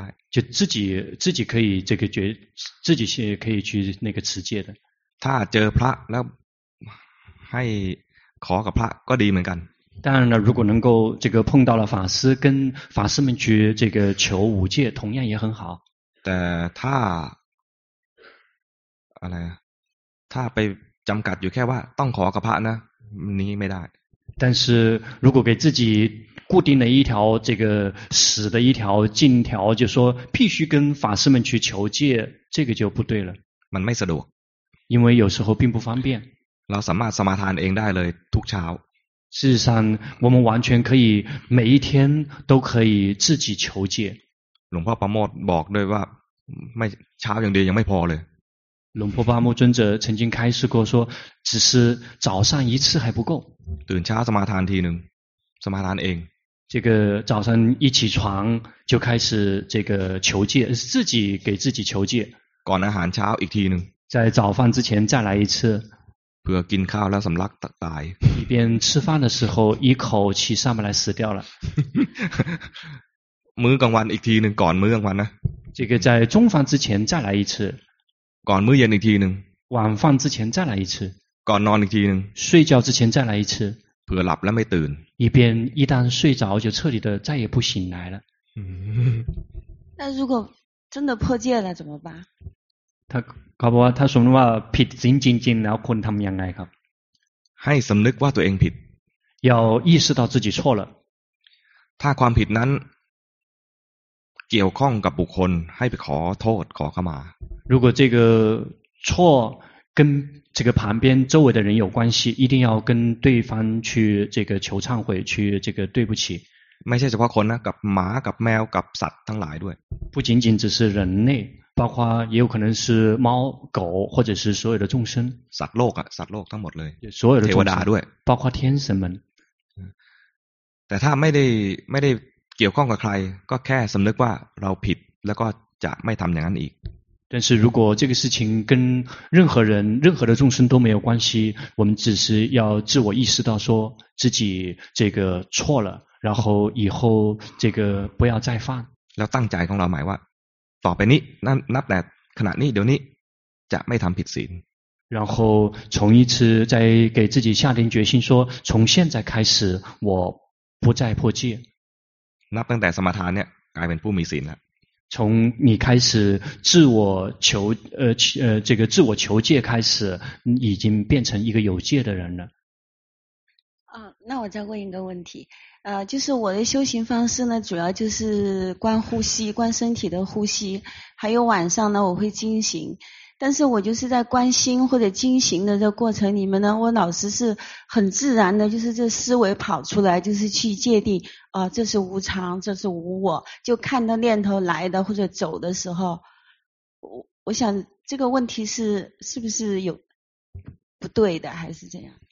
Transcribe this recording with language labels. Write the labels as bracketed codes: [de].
[zh] 就自己可以这个觉自己是可以去那个持戒的 [th] ถ้าเจอพระแล้วให้ขอกับพระก็ดีเหมือนกัน [zh] 当然了如果能够这个碰到了法师跟法师们去这个求五戒同样也很好 [th] แต่ถ้าอะไรถ้าไปจำกัดอยู่แค่ว่าต้องขอกับพระนะนี้ไม่ได้ [zh] 但是如果给自己固定了一条这个死的一条禁条就说必须跟法师们去求戒这个就不对了 [th] มันไม่สะดวก [zh] 因为有时候并不方便 [th] เราสามารถสมาทานเองได้เลยทุกเช้า [zh] 事实上我们完全可以每一天都可以自己求戒 [th] หลวงพ่อปราโมทบอกด้วยว่าไม่เช้าอย่างเดียวยังไม่พอเลย [zh] หลวงพ่อปราโมท尊者曾经开示过说只是早上一次还不够 [th] ตื่นเช้าสมาทานทีนึงสมาทานเอง [zh] 这个早上一起床就开始这个求戒自己给自己求戒 [th] ก่อนอาหารเช้าอีกทีนึง [zh] 在早饭之前再来一次 [th] เพื่อกินข้าวแล้วสำลักตาย [zh] 一边吃饭的时候一口气上不来死掉了 [th] มื้อกลางวันอีกทีหนึ่งก่อนมื้อกลางวันนะ [zh] 这个在中饭之前再来一次 [th] ก่อนมื้อเย็นอีกทีหนึ่ง [zh] 晚饭之前再来一次 [th] ก่อนนอนอีกทีหนึ่ง [zh] 睡觉之前再来一次 [th] เผื่อหลับแล้วไม่ตื่น [zh] 以便一旦睡着就彻底的再也不醒来了那如果真的破戒了怎么办 [th] 他เขาบอกว่าถ้าสมมติว่าผิดจริงๆแล้วคนทำยังไงครับ ให้สำนึกว่าตัวเองผิด [zh] 要意识到自己错了 [th] ถ้าความผิดนั้นเกี่ยวข้องกับบุคคลให้ไปขอโทษขอเข้ามา [zh] 如果这个错跟这个旁边周围的人有关系一定要跟对方去这个求忏悔去这个对不起 [th] ไม่ใช่เฉพาะคนนะกับหมากับแมวกับสัตว์ทั้งหลายด้วย [zh] 不仅仅只是人类包括也有可能是猫狗或者是所有的众生 [th] สัตว์โลกอ่ะสัตว์โลกทั้งหมดเลย [zh] 所有的 [th] เทวดาด้วย [zh] 包括天神们 [th] แต่ถ้าไม่ได้เกี่ยวข้องกับใครก็แค่สำนึกว่าเราผิดแล้วก็จะไม่ทำอย่างนั้นอีก [zh] 但是如果这个事情跟任何人任何的众生都没有关系我们只是要自我意识到说自己这个错了然后以后这个不要再犯 [th] แล้วตั้งใจของเราหมายว่าต่อไปนี้นับแต่ขณะนี้เดี๋ยวนี้จะไม่ทำผิดศีล [zh] 然后从一次再给自己下定决心说从现在开始我不再破戒 [th] นับตั้งแต่สมาทานเนี่ยกลายเป็นผู้มีศีลแล้ว [zh] 从你开始自我求这个自我求戒开始已经变成一个有戒的人了那我再问一个问题就是我的修行方式呢主要就是观呼吸观身体的呼吸还有晚上呢我会静心但是我就是在观心或者静心的这个过程里面呢我老师是很自然的就是这思维跑出来就是去界定这是无常这是无我就看到念头来的或者走的时候我想这个问题是不是有不对的还是这样